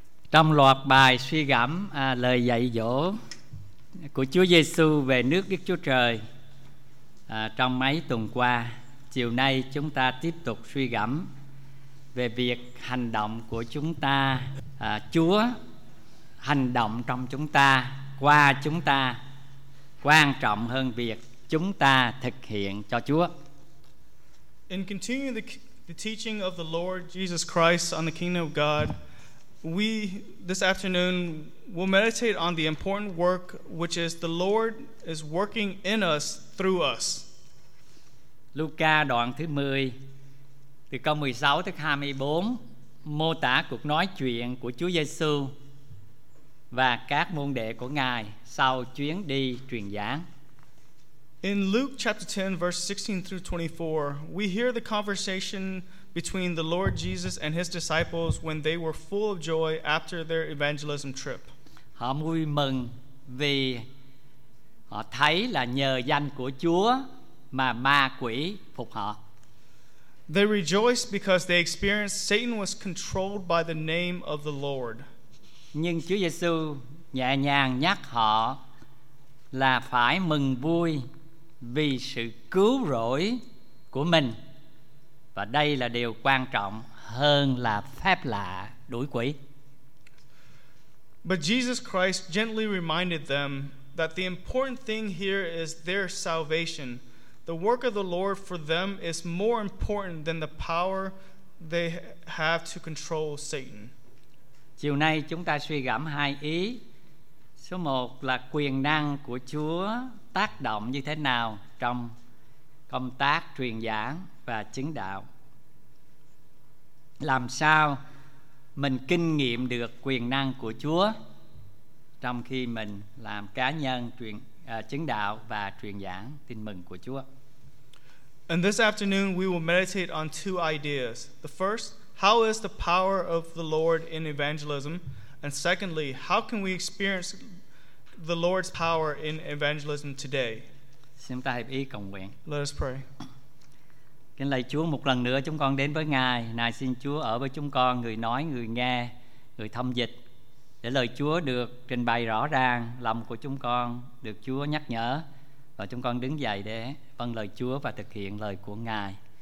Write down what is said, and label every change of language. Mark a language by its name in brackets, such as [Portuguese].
[Vietnamese] Trong loạt bài suy gẫm lời dạy dỗ của Chúa Giêsu về nước Đức Chúa Trời trong mấy tuần qua, chiều nay chúng ta tiếp tục suy gẫm về việc hành động của chúng ta, Chúa hành động trong chúng ta, qua chúng ta, quan trọng hơn việc chúng ta thực hiện cho Chúa. [English] In continuing the teaching of the Lord Jesus Christ on the kingdom of God, we this afternoon will meditate on the important work which is the Lord is working in us through us. [Vietnamese] Luca đoạn thứ 10 từ câu 16 tới 24 mô tả cuộc nói chuyện của Chúa Giêsu và các môn đệ của Ngài sau chuyến đi truyền giảng. [English] In Luke chapter 10, verse 16 through 24, we hear the conversation between the Lord Jesus and his disciples when they were full of joy after their evangelism trip. [Vietnamese] Họ vui mừng vì họ thấy là nhờ danh của Chúa mà ma quỷ phục họ. [English] They rejoiced because they experienced Satan was controlled by the name of the Lord. [Vietnamese] Nhưng Chúa Giêsu nhẹ nhàng nhắc họ là phải mừng vui vì sự cứu rỗi của mình, và đây là điều quan trọng hơn là phép lạ đuổi quỷ. [English] But Jesus Christ gently reminded them that the important thing here is their salvation. The work of the Lord for them is more important than the power they have to control Satan. [Vietnamese] Chiều nay chúng ta suy gẫm hai ý. Số 1 là quyền năng của Chúa tác động như thế nào trong công tác truyền giảng và chứng đạo. Làm sao mình kinh nghiệm được quyền năng của Chúa trong khi mình làm cá nhân truyền chứng đạo và truyền giảng tin mừng của Chúa. [English] And this afternoon we will meditate on two ideas. The first, how is the power of the Lord in evangelism? And secondly, how can we experience the Lord's power in evangelism today? [Vietnamese] Xin ta hiệp ý cầu nguyện. [English] Let us pray. [Vietnamese] Kính lạy Chúa, một lần nữa chúng con đến với Ngài. Này xin Chúa ở với chúng con, người nói, người nghe, người thông dịch, để lời Chúa được trình bày rõ ràng, lòng của chúng con được Chúa nhắc nhở, và chúng con đứng dậy để vâng lời Chúa và thực hiện lời của Ngài.